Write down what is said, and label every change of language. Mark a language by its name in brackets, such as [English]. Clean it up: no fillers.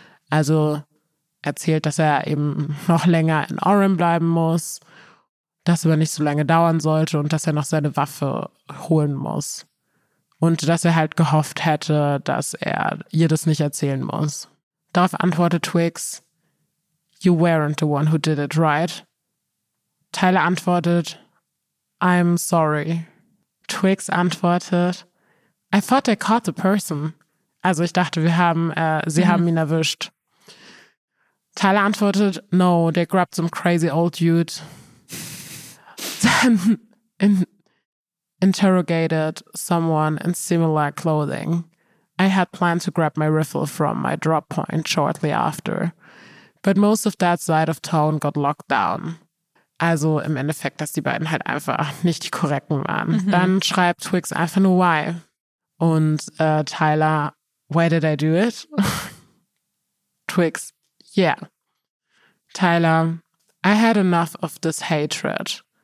[German] Also erzählt, dass er eben noch länger in Orem bleiben muss, dass er nicht so lange dauern sollte und dass er noch seine Waffe holen muss. Und dass er halt gehofft hätte, dass er ihr das nicht erzählen muss. [English] Darauf antwortet Twix, you weren't the one who did it, right? Tyler antwortet, I'm sorry. Twix antwortet, I thought they caught the person. [German] Also ich dachte, sie haben ihn erwischt. Tyler antwortet, no, they grabbed some crazy old dude. [English] Dann interrogated someone in similar clothing. I had planned to grab my rifle from my drop point shortly after. But most of that side of town got locked down. [German] Also im Endeffekt, dass die beiden halt einfach nicht die Korrekten waren. Mhm. Dann schreibt Twix einfach nur why. Und Tyler, why did I do it? [English] Twix, yeah. Tyler, I had enough of this hatred.